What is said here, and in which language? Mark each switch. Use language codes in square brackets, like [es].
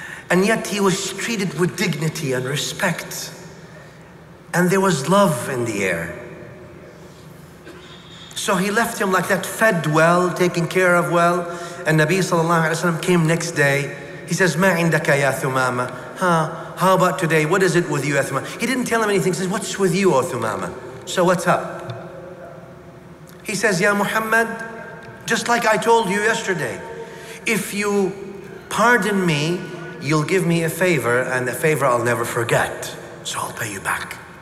[en] And yet he was treated with dignity and respect. And there was love in the air. So he left him like that, fed well, taken care of well. And Nabi sallallahu alayhi wa sallam came next day. He says, [ar] ما عندك يا ثمامة? [en] Huh? How about today? What is it with you, Thumama? He didn't tell him anything. He says, what's with you, O Thumama? So what's up? He says, Ya Muhammad, just like I told you yesterday, if you pardon me, you'll give me a favor, and a favor I'll never forget. So I'll pay you back.